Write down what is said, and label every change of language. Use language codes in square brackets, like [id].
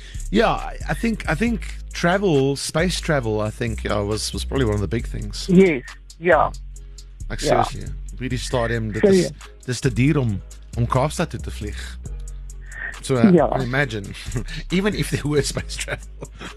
[en] Ja, I think travel, space travel, was probably one of the big things. Yes, ja. [af] Ek sê as jy, op hierdie stadium, dit is te duur om Kaapstad toe te vlieg. [en] So, imagine, even if there were space travel.